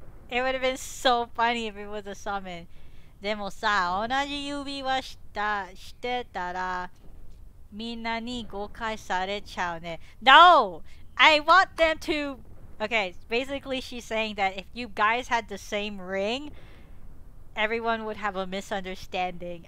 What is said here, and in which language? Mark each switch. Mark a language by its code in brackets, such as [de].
[en] It would have been so funny if it was a summon. [ja] でもさ、同じ指輪してたらみんなに誤解されちゃうね。 [en] No! I want them to... Okay, basically she's saying that if you guys had the same ring, everyone would have a misunderstanding.